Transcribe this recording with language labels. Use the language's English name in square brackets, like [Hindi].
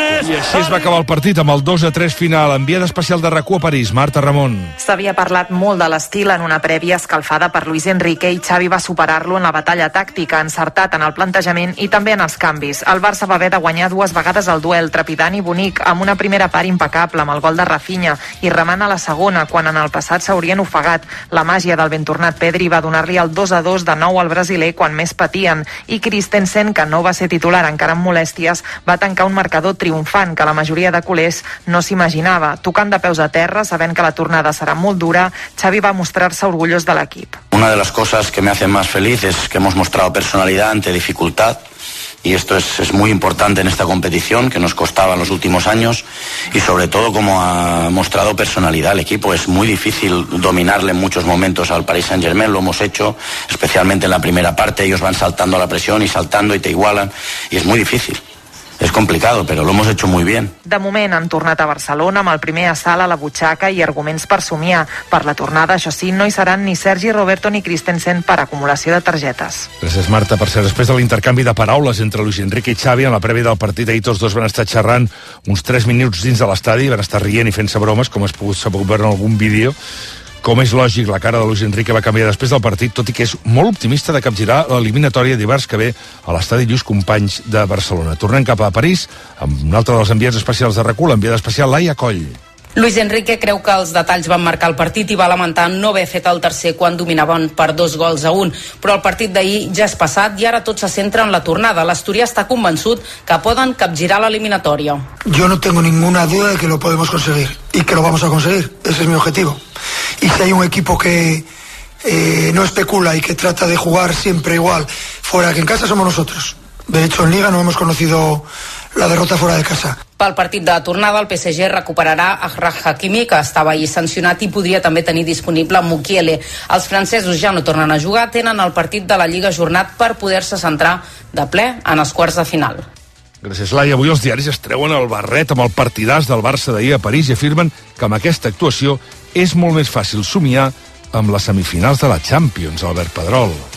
[Catalan] I així es va acabar el partit amb el 2-3 final. Enviada especial de RAC1 a París, Marta Ramon. S'havia parlat molt de l'estil en una prèvia escalfada per Luis Enrique i Xavi va superar-lo en la batalla tàctica, encertat en el plantejament i també en els canvis. El Barça va haver de guanyar dues vegades el duel trepidant i bonic, amb una primera part impecable amb el gol de Rafinha i remant a la segona, quan en el passat s'haurien ofegat. La màgia del ben tornat Pedri va donar-li el 2-2 de nou al brasiler quan més patien i Christensen, que no va ser titular encara amb molèsties, va tancar un marcador triomfant que la majoria de culers no s'imaginava. Tocant de peus a terra, sabent que la tornada serà molt dura, Xavi va mostrar-se orgullós de l'equip. [Spanish] Una de las cosas que me hacen más feliz es que hemos mostrado personalidad ante dificultad y esto es muy importante en esta competición que nos costaba en los últimos años y sobre todo como ha mostrado personalidad el equipo. Es muy difícil dominarle en muchos momentos al Paris Saint-Germain, lo hemos hecho especialmente en la primera parte, ellos van saltando a la presión y saltando y te igualan y es muy difícil. [Catalan] És complicat, però l'hem fet molt bé. De moment han tornat a Barcelona amb el primer assalt a la butxaca i arguments per somiar. Per la tornada, això sí, no hi seran ni Sergi Roberto ni Christensen per acumulació de targetes. Gràcies, Marta. Per cert, després de l'intercanvi de paraules entre Luis Enrique i Xavi en la prèvia del partit d'ahir, tots dos van estar xerrant uns 3 minuts dins de l'estadi, van estar rient i fent-se bromes, com s'ha pogut veure en algun vídeo. Com és lògic, la cara de Luis Enrique va canviar després del partit, tot i que és molt optimista de capgirar l'eliminatòria dimarts que ve a l'estadi Lluís Companys de Barcelona. Tornem cap a París amb un altre dels enviats especials de RAC1, l'enviada especial Laia Coll. Luis Enrique creu que els detalls van marcar el partit i va lamentar no haver fet el tercer quan dominaven per 2-1, però el partit d'ahir ja és passat i ara tot se centra en la tornada. L'Asturià està convençut que poden capgirar l'eliminatòria. [Spanish] Yo no tengo ninguna duda de que lo podemos conseguir y que lo vamos a conseguir. Ese es mi objetivo. Y si hay un equipo que no especula y que trata de jugar siempre igual fuera que en casa, somos nosotros. De hecho, en Liga no hemos conocido la derrota fuera de casa. [Catalan] Pel partit de tornada, el PSG recuperarà Achraf Hakimi, que estava ahir sancionat i podria també tenir disponible Mukiele. Els francesos ja no tornen a jugar, tenen el partit de la Lliga ajornat per poder-se centrar de ple en els quarts de final. Gràcies, Laia. Avui els diaris es treuen el barret amb el partidàs del Barça d'ahir a París i afirmen que amb aquesta actuació és molt més fàcil somiar amb les semifinals de la Champions, Albert Pedrol.